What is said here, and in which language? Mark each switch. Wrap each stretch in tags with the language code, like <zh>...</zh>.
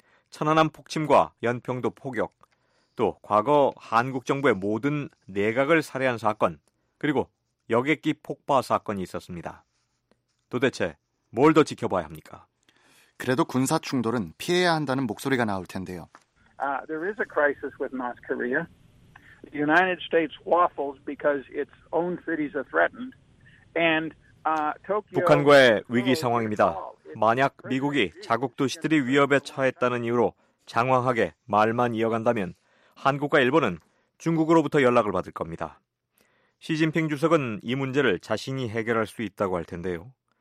<ko>천안함 폭침과 연평도 포격, 또 과거 한국 정부의 모든 내각을 살해한 사건, 그리고 여객기 폭파 사건이 있었습니다. 도대체 뭘 더 지켜봐야 합니까? 그래도 군사 충돌은 피해야 한다는 목소리가 나올 텐데요.</ko> <en>There is a crisis with North Korea. The United States waffles because its own cities are threatened. And Tokyo.</en> <ko>북한과의 위기 상황입니다. 만약 미국이 자국 도시들이 위협에 처했다는 이유로 장황하게 말만 이어간다면 한국과 일본은 중국으로부터 연락을 받을 겁니다. 시진핑 주석은 이 문제를 자신이 해결할 수 있다고 할 텐데요.</ko>